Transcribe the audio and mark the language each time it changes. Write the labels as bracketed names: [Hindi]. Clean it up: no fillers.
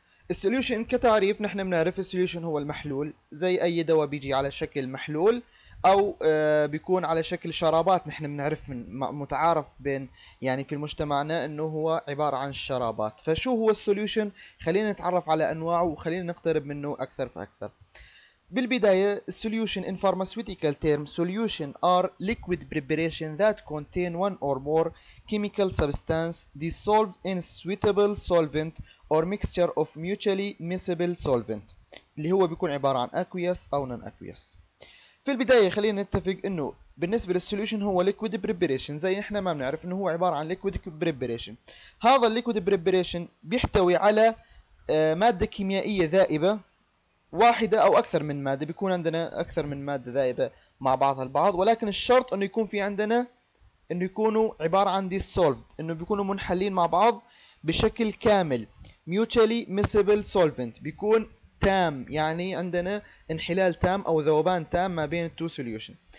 [Arabic] السوليوشن كتعريف نحن بنعرف السوليوشن هو المحلول، زي اي دواء بيجي على شكل محلول او بيكون على شكل شرابات. نحن بنعرف من متعارف بين يعني في مجتمعنا انه هو عبارة عن شرابات. فشو هو السوليوشن؟ خلينا نتعرف على انواعه وخلينا نقترب منه اكثر فاكثر. بالبداية السوليوشن [English] in pharmaceutical term solution are liquid preparation that contain one or more chemical substance dissolved in suitable solvent or mixture of mutually miscible solvent [Arabic] اللي هو بيكون عبارة عن [English] aqueous أو non aqueous. [Arabic] في البداية خلينا نتفق انه بالنسبة للسوليوشن هو liquid preparation، زي احنا ما بنعرف انه هو عبارة عن liquid preparation. هذا liquid preparation بيحتوي على مادة كيميائية ذائبة واحدة أو أكثر من مادة، بيكون عندنا أكثر من مادة ذائبة مع بعضها البعض، ولكن الشرط أنه يكون في عندنا أنه يكونوا عبارة عن dissolved، أنه بيكونوا منحلين مع بعض بشكل كامل [English] mutually miscible solvent، [Arabic] بيكون تام، يعني عندنا انحلال تام أو ذوبان تام ما بين two solution.